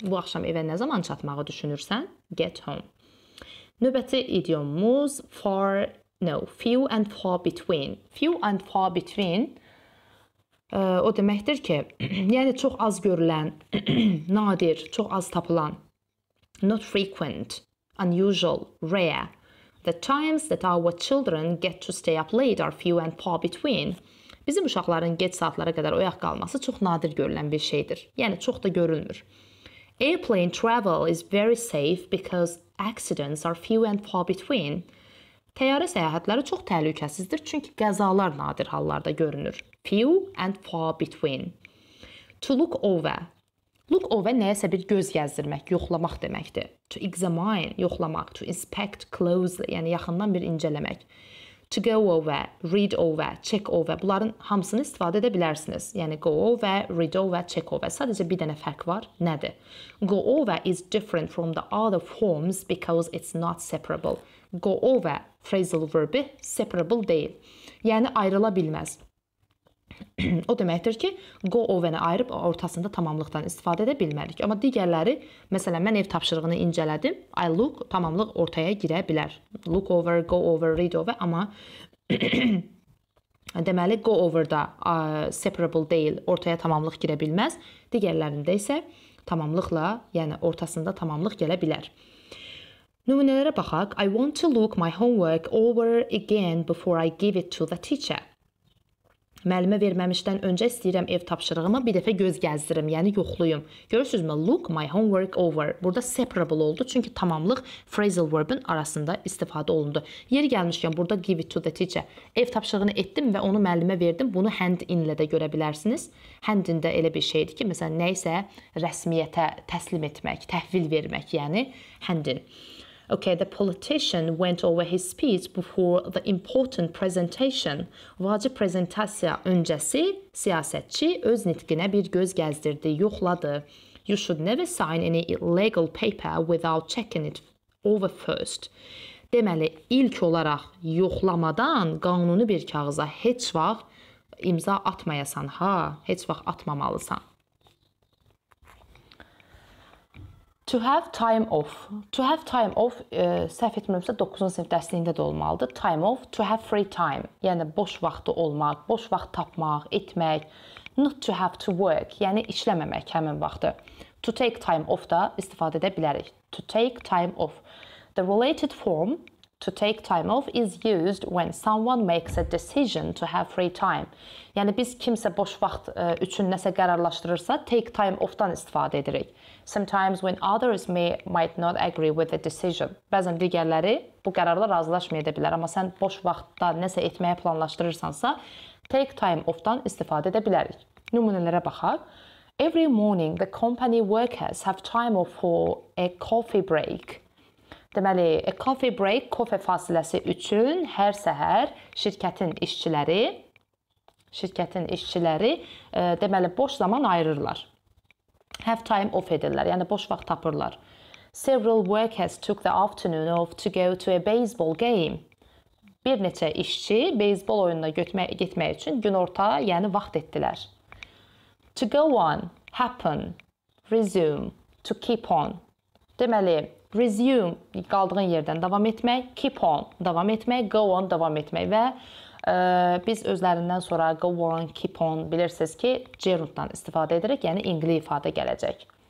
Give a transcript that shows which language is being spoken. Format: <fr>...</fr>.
<az>Bu axşam evə nə zaman çatmağı düşünürsən?</az> <en>Get home.</en> <az>Növbəti idiomumuz</az> <en>far, no, few and far between. Few and far between.</en> <az>O deməkdir ki, yəni çox az görülən, nadir, çox az tapılan.</az> <en>Not frequent, unusual, rare. The times that our children get to stay up late are few and far between.</en> <az>Bizim uşaqların geç saatlara qədər oyaq qalması çox nadir görülən bir şeydir. Yəni çox da görülmür.</az> <en>Airplane travel is very safe because accidents are few and far between.</en> <az>Təyyarə səyahətləri çox təhlükəsizdir, çünki qəzalar nadir hallarda görünür.</az> <en>Few and far between. To look over.</en> <az>Look over nəyəsə bir göz gəzdirmək, yoxlamaq deməkdir.</az> <en>To examine,</en> <az>yoxlamaq.</az> <en>To inspect closely,</en> <az>yəni yaxından bir incələmək.</az> <en>To go over, read over, check over.</en> <az>Bunların hamısını istifadə edə bilərsiniz. Yəni,</az> <en>go over, read over, check over.</en> <az>Sadəcə bir dənə fərq var. Nədir?</az> <en>Go over is different from the other forms because it's not separable.</en> <az>Go over, phrasal verbi, separable deyil. Yəni, ayrıla bilməz. O deməkdir ki, go over-nə ayırıb ortasında tamamlıqdan istifadə edə bilmərik. Amma digərləri, məsələn, mən ev tapşırığını incələdim.</az> <en>I look,</en> <az>tamamlıq ortaya girə bilər.</az> <en>Look over, go over, read over.</en> <az>Amma deməli, go over-da separable deyil, ortaya tamamlıq girə bilməz. Digərlərində isə tamamlıqla, yəni ortasında tamamlıq gələ bilər. Nümunələrə baxaq.</az> <en>I want to look my homework over again before I give it to the teacher.</en> <az>Müəllimə verməmişdən öncə istəyirəm ev tapşırığımı bir dəfə göz gəzdirim, yəni yoxluyum. Görürsünüzmü?</az> <en>Look my homework over.</en> <az>Burada separable oldu, çünki tamamlıq phrasal verbin arasında istifadə olundu. Yeri gəlmişkən burada</az> <en>give it to the teacher.</en> <az>Ev tapşırığını etdim və onu müəllimə verdim. Bunu hand in-lə də görə bilərsiniz. Hand in-də elə bir şeydir ki, məsələn, nə isə rəsmiyyətə təslim etmək, təhvil vermək, yəni hand in.</az> <en>Okay, the politician went over his speech before the important presentation.</en> <az>Vacib prezentasiya öncəsi siyasətçi öz nitqinə bir göz gəzdirdi, yoxladı.</az> <en>You should never sign any legal paper without checking it over first.</en> <az>Deməli, ilk olaraq yoxlamadan qanuni bir kağıza heç vaxt imza atmayasan, ha, heç vaxt atmamalısan.</az> <en>To have time off. To have time off,</en> <az>səhv etmirəmsə 9-cu sinif dərsliyində də olmalıdır.</az> <en>Time off, to have free time.</en> <az>Yəni, boş vaxtı olmaq, boş vaxt tapmaq, etmək.</az> <en>Not to have to work,</en> <az>yəni işləməmək həmin vaxtı.</az> <en>To take time off</en> <az>da istifadə edə bilərik.</az> <en>To take time off. The related form, to take time off, is used when someone makes a decision to have free time.</en> <az>Yəni, biz kimsə boş vaxt üçün nəsə qərarlaşdırırsa, take time off-dan istifadə edirik.</az> <en>Sometimes when others might not agree with the decision.</en> <az>Bəzən digərləri bu qərarla razılaşmaya da bilər, amma sən boş vaxtda nəsə etməyə planlaşdırırsansa, take time off-dan istifadə edə bilərik. Nümunələrə baxaq.</az> <en>Every morning, the company workers have time off for a coffee break.</en> <az>Deməli,</az> <en>a coffee break,</en> <az>kofe fasiləsi üçün hər səhər şirkətin işçiləri, deməli, boş zaman ayırırlar. Have time off edirlər, yəni boş vaxt tapırlar.</az> <en>Several workers took the afternoon off to go to a baseball game.</en> <az>Bir neçə işçi beyzbol oyununa getmək üçün günorta, yəni vaxt etdilər.</az> <en>To go on, happen, resume, to keep on.</en> <az>Deməli, resume, qaldığın yerdən davam etmək, keep on, davam etmək, go on, davam etmək və biz özlərindən sonra</az> <en>go on, keep on</en> <az>bilirsiniz ki, gerunddan istifadə edirik, yəni ingilis ifadə gələcək.</az>